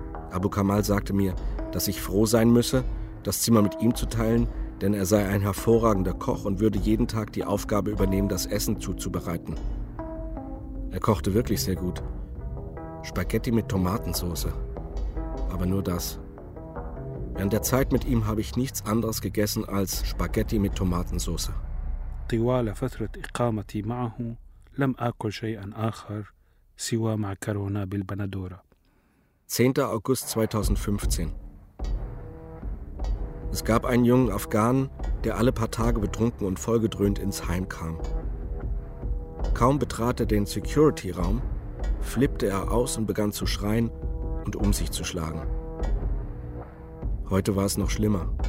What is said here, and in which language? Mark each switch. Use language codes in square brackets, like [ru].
[de] Abu Kamal sagte mir, dass ich froh sein müsse, das Zimmer mit ihm zu teilen, denn er sei ein hervorragender Koch und würde jeden Tag die Aufgabe übernehmen, das Essen zuzubereiten. Er kochte wirklich sehr gut. Spaghetti mit Tomatensauce. Aber nur das. Während der Zeit mit ihm habe ich nichts anderes gegessen als Spaghetti mit Tomatensauce. [ar] طوال فترة إقامتي معه لم آكل شيئاً آخر سوى معكرونة بالبندورة. [de] 10. August 2015. Es gab einen jungen Afghanen, der alle paar Tage betrunken und vollgedröhnt ins Heim kam. Kaum betrat er den Security-Raum, flippte er aus und begann zu schreien und um sich zu schlagen. Heute war es noch schlimmer.